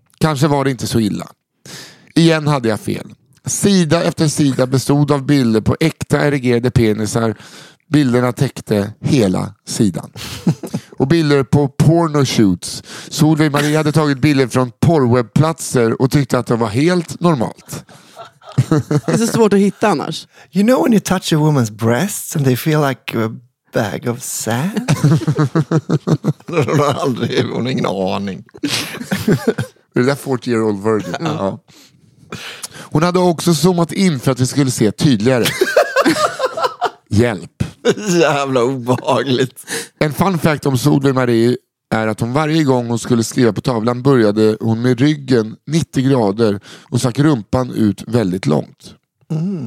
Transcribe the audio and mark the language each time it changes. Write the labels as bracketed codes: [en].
[sv] Kanske var det inte så illa. Igen hade jag fel. Sida efter sida bestod av bilder på äkta erigerade penisar. Bilderna täckte hela sidan. Och bilder på porno shoots. Solveig Marie hade tagit bilder från porrwebbplatser och tyckte att det var helt normalt. Det är så svårt att hitta annars. [en] You know when you touch a woman's breasts and they feel like a bag of sand? [sv] Hon har aldrig, hon har ingen aning. Det är [en] 40-year-old version. Uh-huh. [sv] Hon hade också zoomat in för att vi skulle se tydligare. Hjälp. Jävla obehagligt. En fun fact om Solveig Marie är att hon varje gång hon skulle skriva på tavlan började hon med ryggen 90 grader och stack rumpan ut väldigt långt. Mm.